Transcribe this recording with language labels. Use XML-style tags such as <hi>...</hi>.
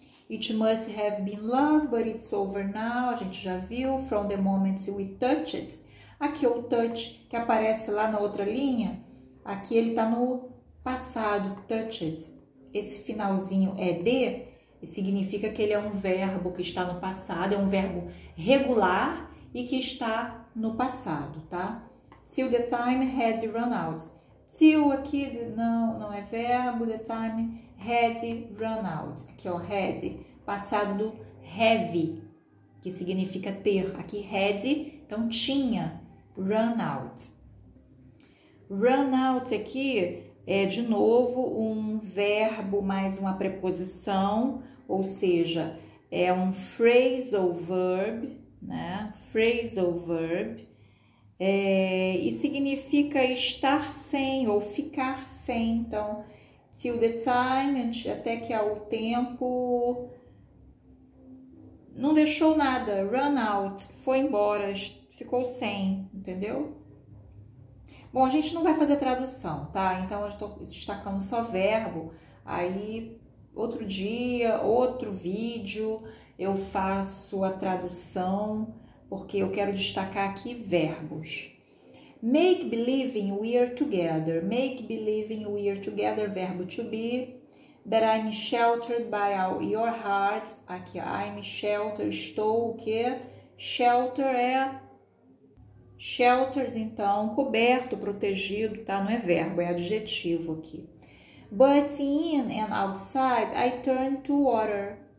<en>It must have been love, but it's over now.</en> <pt>A gente já viu.</pt> <en>From the moment we touched.</en> <pt>Aqui é o touch que aparece lá na outra linha. Aqui ele tá no passado, touched. Esse finalzinho é de, e significa que ele é um verbo que está no passado. É um verbo regular e que está no passado, tá?</pt> <en>Till the time had run out. Till</en> <pt>aqui não é verbo.</pt> <en>The time had run out.</en> <pt>Aqui, ó,</pt> <en>had.</en> <pt>Passado do have, que significa ter. Aqui, had, então tinha. Run out. Run out aqui é, de novo, um verbo mais uma preposição. Ou seja, é um phrasal verb, né? Phrasal verb. E significa estar sem ou ficar sem. Então,</pt> <en>till the time,</en> <pt>até que há o tempo, não deixou nada,</pt> <en>run out,</en> <pt>foi embora, ficou sem, entendeu? Bom, a gente não vai fazer tradução, tá? Então, eu estou destacando só verbo. Aí, outro dia, outro vídeo, eu faço a tradução, porque eu quero destacar aqui verbos.</pt> <en>Make believing we are together. Make believing we are together, verbo to be. That I'm sheltered by your heart.</en> <pt>Aqui,</pt> <en>I'm sheltered,</en> <pt>estou o quê? Shelter é... Sheltered, então, coberto, protegido, tá? Não é verbo, é adjetivo aqui.</pt> <en>But in and outside, I turn to water.</en>